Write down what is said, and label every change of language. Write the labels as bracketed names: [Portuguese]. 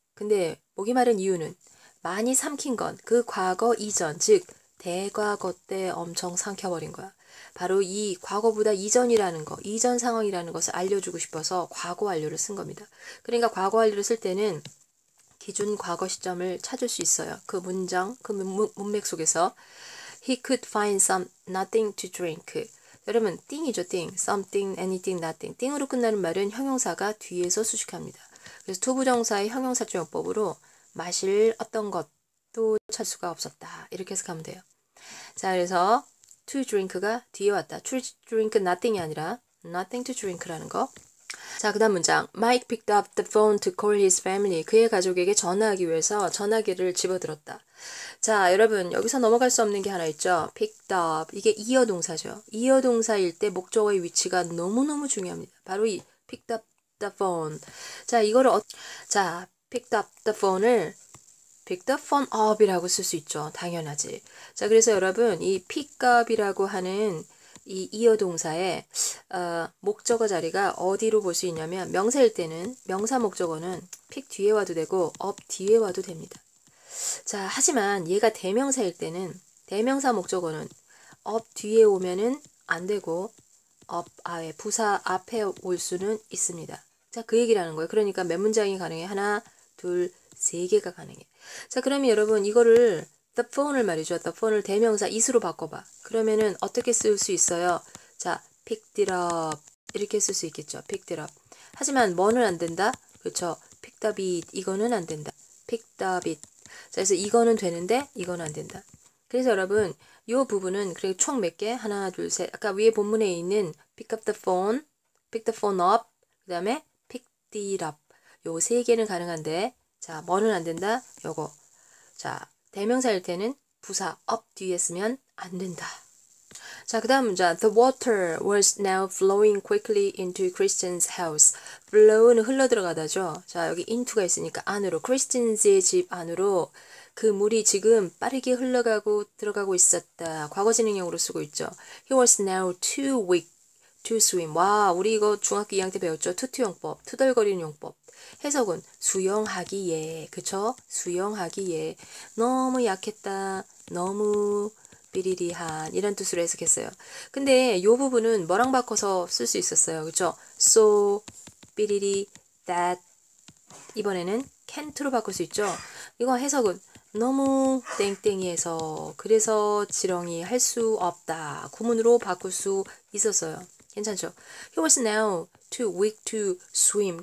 [Korean] 근데 목이 마른 이유는 많이 삼킨 건그 과거 이전, 즉 대과거 때 엄청 삼켜버린 거야. 바로 이 과거보다 이전이라는 거, 이전 상황이라는 것을 알려주고 싶어서 과거 완료를 쓴 겁니다. 그러니까 과거 완료를 쓸 때는 기준 과거 시점을 찾을 수 있어요. 그 문장, 그 문맥 속에서. [English] He could find some nothing to drink. [Korean] 여러분, thing이죠, thing. [English] Something, anything, nothing. [Korean] thing으로 끝나는 말은 형용사가 뒤에서 수식합니다. 그래서 투부정사의 형용사적 용법으로 마실 어떤 것도 찾을 수가 없었다. 이렇게 해석하면 돼요. 자, 그래서 to drink가 뒤에 왔다. [English] to drink nothing [Korean] 이 아니라 [English] nothing to drink [Korean] 라는 거. 자, 그 다음 문장. [English] Mike picked up the phone to call his family. [Korean] 그의 가족에게 전화하기 위해서 전화기를 집어들었다. 자, 여러분, 여기서 넘어갈 수 없는 게 하나 있죠. [English] picked up. [Korean] 이게 이어 동사죠. 이어 동사일 때 목적어의 위치가 너무너무 중요합니다. 바로 이 [English] picked up the phone. [Korean] 자, 이거를 자, picked up the phone을 [English] pick the phone up [Korean] 이라고 쓸수 있죠. 당연하지. 자, 그래서 여러분, 이 pick up이라고 하는 이 이어 동사의 목적어 자리가 어디로 볼수 있냐면 명사일 때는 명사 목적어는 pick 뒤에 와도 되고 up 뒤에 와도 됩니다. 자, 하지만 얘가 대명사일 때는 대명사 목적어는 up 뒤에 오면은 안 되고 up 아예 부사 앞에 올 수는 있습니다. 자, 그 얘기를 하는 거예요. 그러니까 몇 문장이 가능해? 하나, 둘, 세 개가 가능해. 자, 그러면 여러분 이거를 the phone을 말이죠. the phone을 대명사 is로 바꿔봐. 그러면은 어떻게 쓸수 있어요? 자, [English] picked it up [Korean] 이렇게 쓸수 있겠죠. [English] picked it up. [Korean] 하지만 뭐는 안 된다? 그렇죠. [English] picked up it [Korean] 이거는 안 된다. [English] picked up it. [Korean] 자, 그래서 이거는 되는데 이건 안 된다. 그래서 여러분 요 부분은 그래 총몇 개? 하나, 둘, 셋. 아까 위에 본문에 있는 [English] pick up the phone, pick the phone up, [Korean] 그다음에 [English] pick it up. [Korean] 요세 개는 가능한데. 자, 뭐는 안 된다? 요거. 자, 대명사일 때는 부사 up 뒤에 쓰면 안 된다. 자, 그 다음 문제. [English] The water was now flowing quickly into Christian's house. [Korean] flow는 흘러들어가다죠. 자, 여기 into가 있으니까 안으로. Christian's의 집 안으로 그 물이 지금 빠르게 흘러가고 들어가고 있었다. 과거진행형으로 쓰고 있죠. [English] He was now too weak to swim. [Korean] 와, 우리 이거 중학교 2학년 때 배웠죠. 투투용법. 투덜거리는 용법. 해석은 수영하기에, 그쵸? 수영하기에 너무 약했다, 너무 비리리한 이런 뜻으로 해석했어요. 근데 요 부분은 뭐랑 바꿔서 쓸수 있었어요, 그쵸? So, 비리리, that 이번에는 can't로 바꿀 수 있죠? 이거 해석은 너무 땡땡이해서 그래서 지렁이 할수 없다 구문으로 바꿀 수 있었어요. 괜찮죠? [English] He was now too weak to swim.